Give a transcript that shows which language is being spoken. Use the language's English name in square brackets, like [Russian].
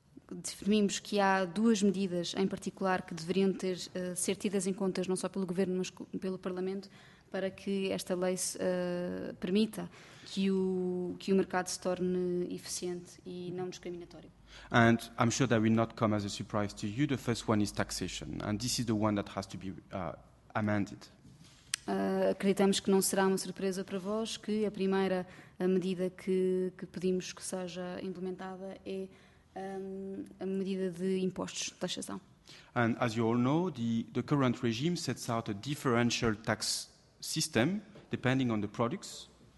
[Portuguese] Definimos que há duas medidas em particular que deveriam ser tidas em contas não só pelo governo mas pelo Parlamento para que esta lei permita que o mercado se torne eficiente e não discriminatório. [English] And I'm sure that will not come as a surprise to you. The first one is taxation, and this is the one that has to be amended. [Portuguese] Acreditamos que não será uma surpresa para vós que a primeira medida que pedimos que seja implementada é a medida de impostos, taxação. [English] And as you all know, the current regime sets out a differential tax system depending on the products.